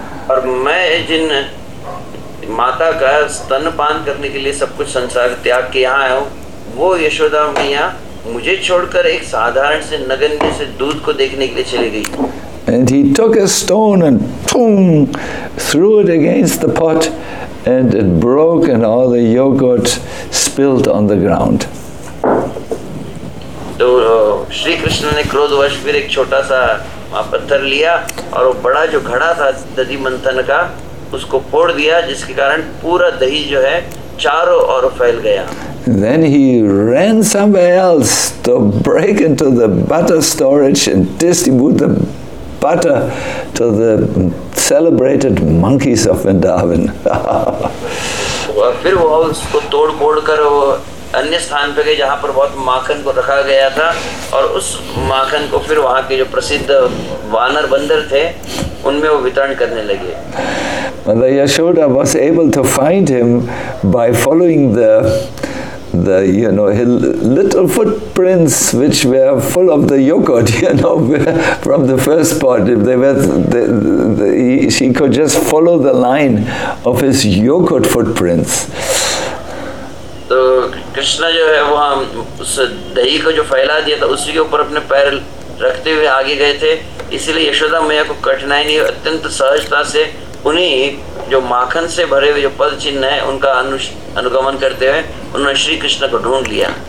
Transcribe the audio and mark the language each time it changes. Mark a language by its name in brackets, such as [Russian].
[Hindi] और मैं जिन माता का स्तनपान करने के लिए सब कुछ संसार त्याग के यहाँ आया हूँ वो यशोदा मैया मुझे छोड़कर एक साधारण से नगण्य से दूध को देखने के लिए चली गई. [English] And he took a stone and boom, threw it against the pot, and it broke, and all the yogurt spilled on the ground. [Hindi] तो श्री कृष्ण ने क्रोधवश फिर एक छोटा सा पत्थर लिया और वो बड़ा जो घड़ा था दही मंथन का उसको फोड़ दिया जिसके कारण पूरा दही जो है चारों ओर फैल गया. [English] Then he ran somewhere else to break into the butter storage and distribute the butter to the celebrated monkeys of Vrindavan. [Hindi] फिर वो उसको तोड़ फोड़ कर वो अन्य स्थान पे गए जहाँ पर बहुत माखन को रखा गया था और उस माखन को फिर वहाँ के जो प्रसिद्ध वानर बंदर थे उनमें वो वितरण करने लगे. [English] Mother Yashoda was able to find him by following the you know his little footprints which were full of the yogurt, you know, from the first pot. She could just follow the line of his yogurt footprints. [Hindi] तो कृष्णा जो है वहाँ उस दही को जो फैला दिया था उसी के ऊपर अपने पैर रखते हुए आगे गए थे इसीलिए यशोदा मैया को कठिनाई नहीं अत्यंत सहजता से उन्हीं जो माखन से भरे हुए जो पद चिन्ह है उनका अनुगमन करते हुए उन्होंने श्री कृष्ण को ढूंढ लिया.